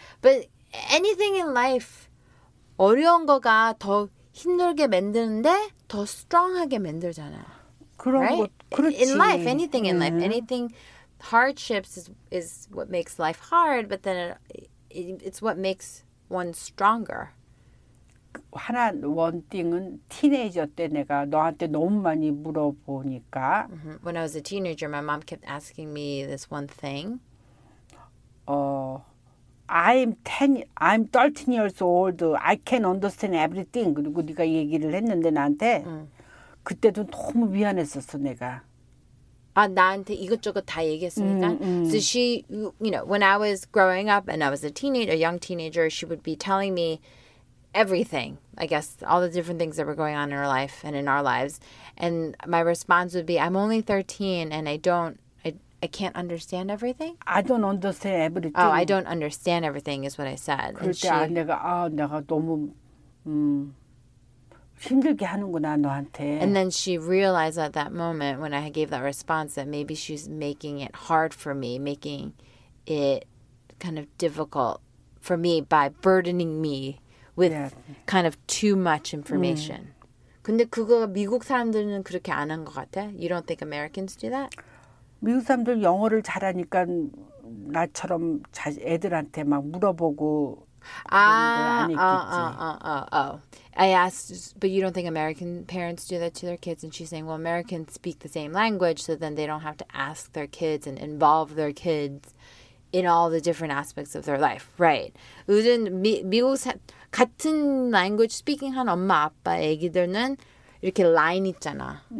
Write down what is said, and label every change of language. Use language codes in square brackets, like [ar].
[en] But anything in life, [ko] 어려운 거가 더 힘들게 만드는데 더 strong하게 만들잖아. 그런 [en] right? [ko] 거 그렇지. [en] In life, anything in life, anything hardships is what makes life hard, but then it's what makes one stronger. [ko] 하나 원띵은 티네이저 때 내가 너한테 너무 많이 물어보니까 [en] When I was a teenager, my mom kept asking me this one thing. I'm 13 years old. I can understand everything. [ko] 그리고 네가 얘기를 했는데 나한테 그때도 너무 미안했었어 내가. 아 나한테 이것저것 다 얘기했으니까. [en] So she, you know, when I was growing up and I was a young teenager, she would be telling me everything, I guess, all the different things that were going on in her life and in our lives. And my response would be, I'm only 13 and I can't understand everything. I don't understand everything. Oh, I don't understand everything is what I said. [ko] 내가 너무 힘들게 하는구나, 너한테. [en] And then she realized at that moment when I gave that response that maybe she's making it hard for me, making it kind of difficult for me by burdening me with kind of too much information. [ko] 근데 그거 미국 사람들은 그렇게 안 한 것 같아? [en] You don't think Americans do that? [ko] 미국 사람들 영어를 잘하니까 나처럼 애들한테 막 물어보고 [en] I asked, but you don't think American parents do that to their kids? And she's saying, well, Americans speak the same language, so then they don't have to ask their kids and involve their kids in all the different aspects of their life. [ko] Right. 우리는 미국 같은 [en] language speaking [ko] 한 엄마 아빠 애기들은 이렇게 라인 있잖아.